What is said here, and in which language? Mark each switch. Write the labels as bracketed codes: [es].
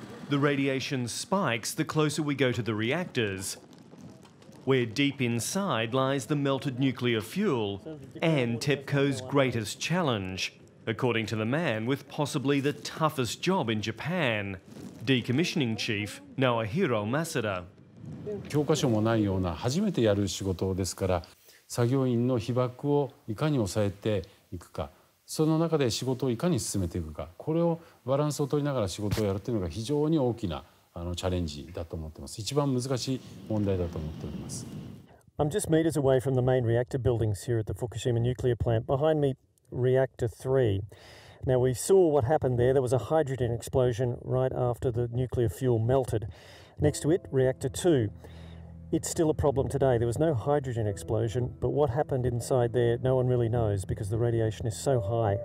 [en] The radiation spikes the closer we go to the reactors, where deep inside lies the melted nuclear fuel and TEPCO's greatest challenge, according to the man with possibly the toughest job in Japan, decommissioning chief Naohiro Masada. [ja] 教科書もないような初めてやる仕事ですから 作業員の被曝をいかに抑えていくか、その中で仕事をいかに進めていくか、これをバランスを取りながら仕事をやるというのが非常に大きなチャレンジだと思っています。一番難しい問題だと思っております。 [en] I'm just meters away from the main reactor buildings here at the Fukushima nuclear plant. Behind me, reactor 3. Now, we saw what happened there. There was a hydrogen explosion right after the nuclear fuel melted. Next to it, reactor 2. It's still a problem today. There was no hydrogen explosion, but what happened inside there, no one really knows because the radiation is so high.